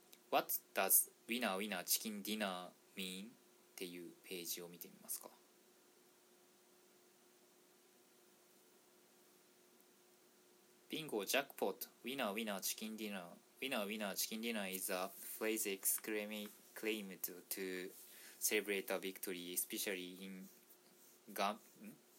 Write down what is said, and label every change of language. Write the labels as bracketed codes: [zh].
[en] What does winner winner chicken dinner mean? [ja] っていうページを見てみますか。ビンゴ、ジャックポット、 [en] winner winner chicken dinner。 Winner winner chicken dinner is a phrase claimed to celebrate a victory, especially in gambling.